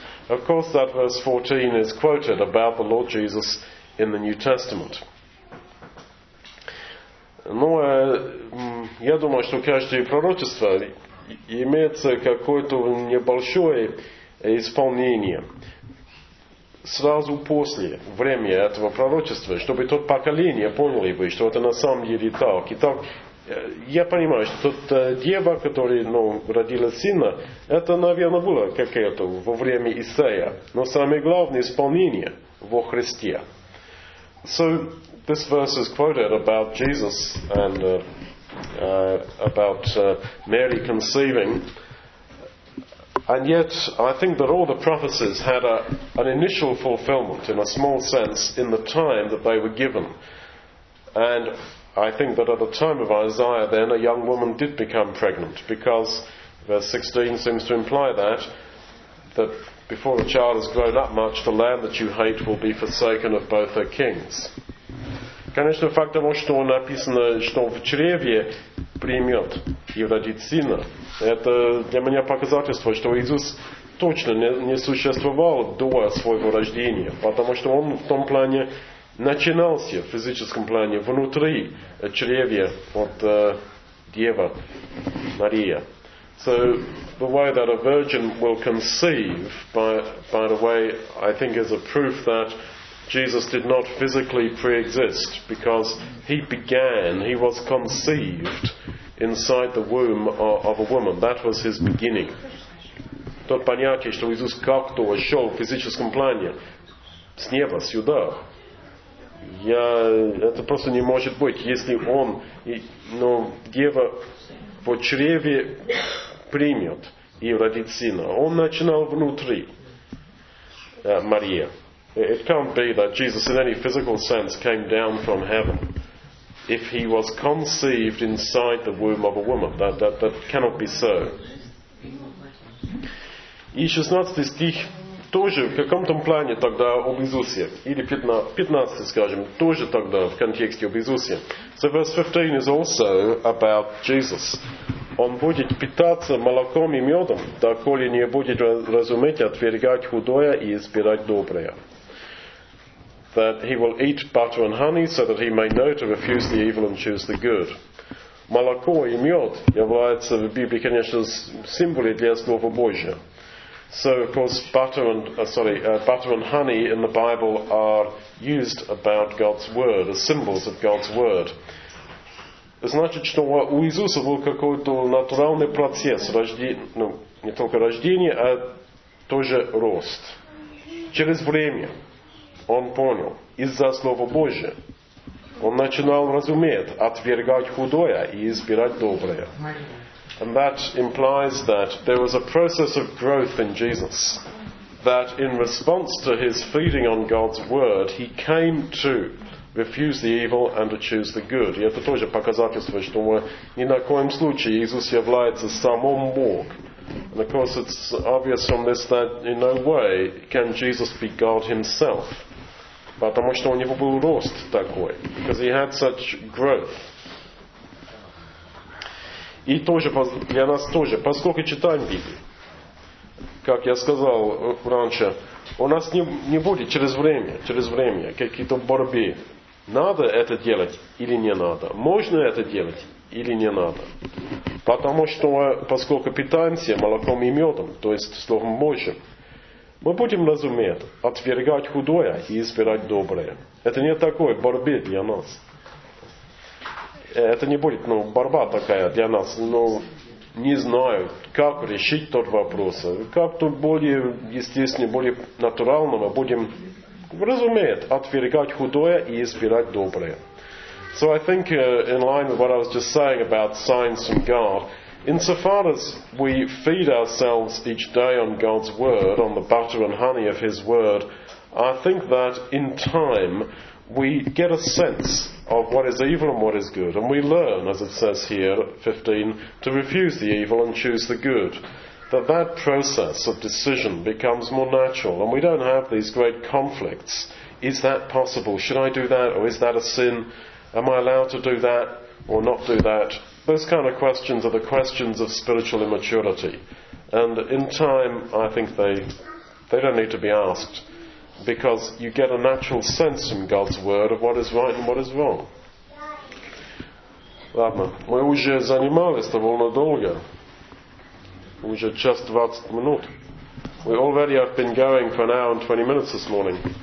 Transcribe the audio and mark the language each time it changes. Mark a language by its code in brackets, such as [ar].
[en] Of course, that verse 14 is quoted about the Lord Jesus in the New Testament. [ru] Но я думаю, что каждое пророчество имеется какое-то небольшое исполнение. Сразу после времени этого пророчества, чтобы то поколение поняли бы, что это на самом деле так. Итак, я понимаю, что тот дева, который родила сына, это, наверное, было какое-то во время Исаия. Но самое главное исполнение во Христе. [en] So, this verse is quoted about Jesus and about Mary conceiving. And yet, I think that all the prophecies had an initial fulfillment, in a small sense, in the time that they were given. And I think that at the time of Isaiah, then, a young woman did become pregnant, because verse 16 seems to imply that before the child has grown up much, the land that you hate will be forsaken of both her kings. [ru] Конечно, факт того, что написано, что в чреве примет и родит сына, это для меня показательство, что Иисус точно не существовал до своего рождения, потому что он в том плане начинался, в физическом плане, внутри чрева от Девы Марии. [en] So, the way that a virgin will conceive, by the way, I think is a proof that Jesus did not physically pre-exist, because he began, he was conceived inside the womb of a woman. That was his beginning. [ru] Тот понятие, что Иисус как-то вошел в физическом плане с неба сюда. Это просто не может быть, если он, дева в чреве примет и родит сына. Он начинал внутри Марии. [en] It can't be that Jesus in any physical sense came down from heaven if he was conceived inside the womb of a woman. That cannot be so. [ru] И 16 стих тоже в каком-то плане тогда об Иисусе. Или 15, скажем, тоже тогда в контексте об Иисусе. [en] So verse 15 is also about Jesus. [ru] Он будет питаться молоком и медом, доколе не будет разуметь отвергать худое и избирать доброе. [en] That he will eat butter and honey so that he may know to refuse the evil and choose the good. [ru] Молоко и мед являются в Библии, конечно, символами для Слова Божия. [en] So, of course, butter and honey in the Bible are used about God's word, as symbols of God's word. [ru] Значит, что у Иисуса был какой-то натуральный процесс рождения, не только рождения, а тоже рост. Через время. Он понял, из-за Слова Божия, он начинал разуметь, отвергать худое и избирать доброе. [en] And that implies that there was a process of growth in Jesus. that in response to his feeding on God's word, he came to refuse the evil and to choose the good. [ru] И это тоже показательство, что мы ни на коем случае Иисус является самым Бог. [en] And of course it's obvious from this that in no way can Jesus be God himself. [ru] Потому что у него был рост такой. [en] Because he had such growth. [ru] И тоже для нас тоже, поскольку читаем Библию, как я сказал раньше, у нас не будет через время какие-то борьбы. Надо это делать или не надо? Можно это делать или не надо? Потому что, поскольку питаемся молоком и медом, то есть Словом Божьим, мы будем разуметь отвергать худое и избирать доброе. Это не такой борьбы для нас. Это не будет, борьба такая для нас. Но не знаю, как решить тот вопрос. Как тут более естественно, более натурально мы будем разуметь отвергать худое и избирать доброе. [en] So I think in line with what I was just saying about signs from God, insofar as we feed ourselves each day on God's word, on the butter and honey of his word, I think that in time we get a sense of what is evil and what is good. And we learn, as it says here, 15, to refuse the evil and choose the good. That process of decision becomes more natural and we don't have these great conflicts. Is that possible? Should I do that? Or is that a sin? Am I allowed to do that or not do that? Those kind of questions are the questions of spiritual immaturity. And in time, I think they don't need to be asked, because you get a natural sense from God's word of what is right and what is wrong. [ru] Ладно, мы уже занимались довольно долго. Уже час 20 минут. [en] We already have been going for an hour and 20 minutes this morning.